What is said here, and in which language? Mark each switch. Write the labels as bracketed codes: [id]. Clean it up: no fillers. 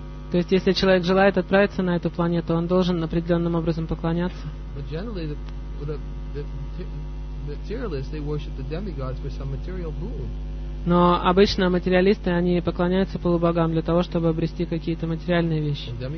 [ru] То есть если человек желает отправиться на эту планету, он должен определенным образом поклоняться. [en] But generally the materialists, they worship the demigods for some material boon. [ru] Но обычно материалисты, они поклоняются полубогам для того, чтобы обрести какие-то материальные вещи.